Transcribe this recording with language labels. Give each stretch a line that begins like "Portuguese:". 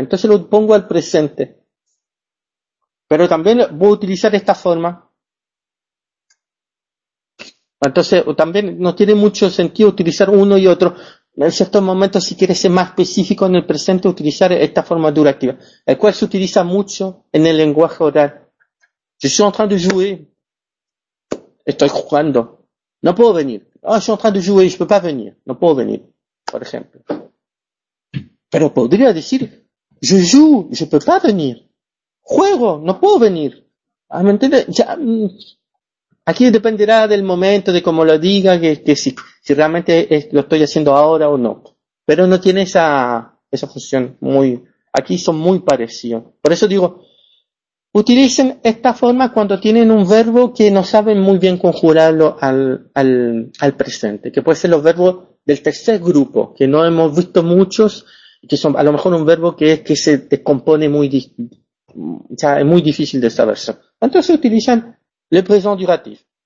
Spanish: Entonces lo pongo al presente. Pero también voy a utilizar esta forma. Entonces también no tiene mucho sentido utilizar uno y otro. En ciertos momentos, si quieres ser más específico en el presente, utilizar esta forma durativa. El cual se utiliza mucho en el lenguaje oral.
French: Je suis en train de jouer.
Spanish: Estoy jugando. No puedo venir.
French: Oh, je suis en train de jouer. Je peux pas venir.
Spanish: No puedo venir, por ejemplo. Pero podría decir,
French: je joue. Je peux pas venir.
Spanish: Juego. No puedo venir. ¿Me entiendes? Ya, aquí dependerá del momento, de cómo lo diga, que si realmente lo estoy haciendo ahora o no. Pero no tiene esa función muy... Aquí son muy parecidos. Por eso digo... Utilicen esta forma cuando tienen un verbo que no saben muy bien conjugarlo al presente, que puede ser los verbos del tercer grupo, que no hemos visto muchos, que son a lo mejor un verbo que se descompone muy, ya es muy difícil de saber. Entonces utilizan
French: le présent duratif.